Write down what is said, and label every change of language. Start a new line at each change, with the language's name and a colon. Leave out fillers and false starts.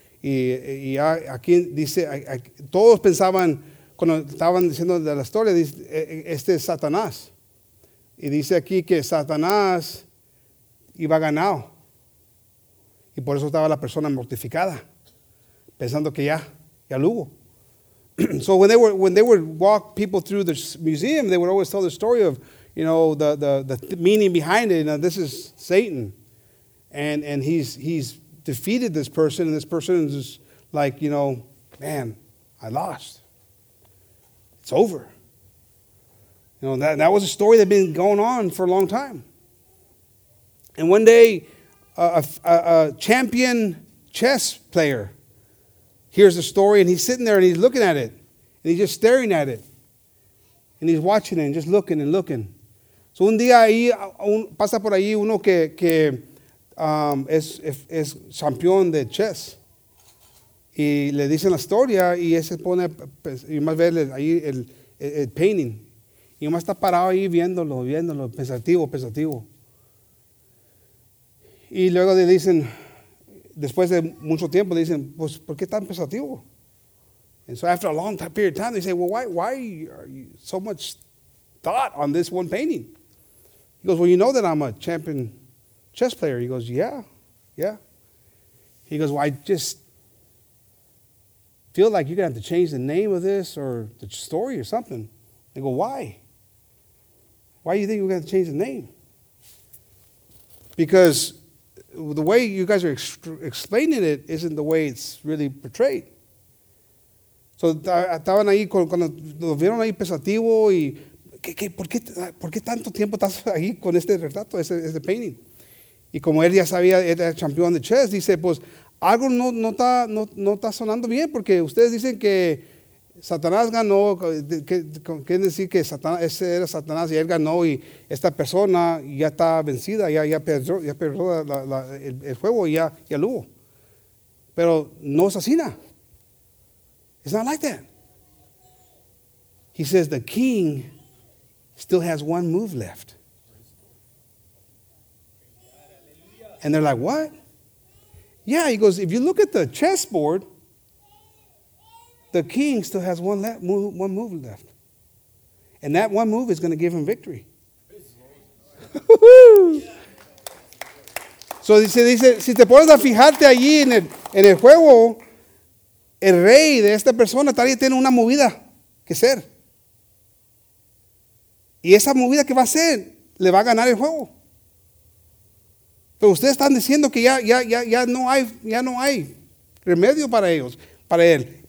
Spanish: Y aquí dice, todos pensaban, cuando estaban diciendo de la historia, dice, este es Satanás. Y dice aquí que Satanás iba ganado. Y por eso estaba la persona mortificada, pensando que ya, y a Lugo.
English: So when they would walk people through the museum, they would always tell the story of, you know, the meaning behind it. Now this is Satan, and he's defeated this person, and this person is just like, you know, man, I lost. It's over. You know, that was a story that had been going on for a long time. And one day, a champion chess player hears the story, and he's sitting there, and he's looking at it, and he's just staring at it, and he's watching it, and just looking and looking.
Spanish: So un día ahí, pasa por ahí uno que es campeón de chess. Y le dicen la historia, y ese pone, y más ver ahí el painting. Y más está parado ahí viéndolo, pensativo. Y luego le dicen, después de mucho tiempo, le dicen, pues, ¿por qué tan pensativo?
English: And so after a long time, period of time, they say, well, why are you so much thought on this one painting? He goes, well, you know that I'm a champion chess player. He goes, yeah. He goes, well, I just feel like you're going to have to change the name of this or the story or something. They go, why? Why do you think you're going to change the name? Because the way you guys are explaining it isn't the way it's really portrayed.
Spanish: So estaban ahí cuando lo vieron ahí pensativo y ¿por qué tanto tiempo estás ahí con este retrato, este painting? Y como él ya sabía, era campeón de chess, dice, pues algo no está sonando bien porque ustedes dicen que Satanás ganó, ¿qué decir que Satanás, ese era Satanás y él ganó y esta persona ya está vencida, ya perdió el juego y ya lo hubo? Pero no es así.
English: It's not like that. He says the king still has one move left. And they're like, what? Yeah, he goes, if you look at the chessboard, the king still has one move left. And that one move is going to give him victory.
Spanish: So dice, si te pones a fijarte allí en el juego, el rey de esta persona todavía tiene una movida que hacer. Y esa movida que va a hacer, le va a ganar el juego. Pero ustedes están diciendo que ya no hay remedio para ellos, para él.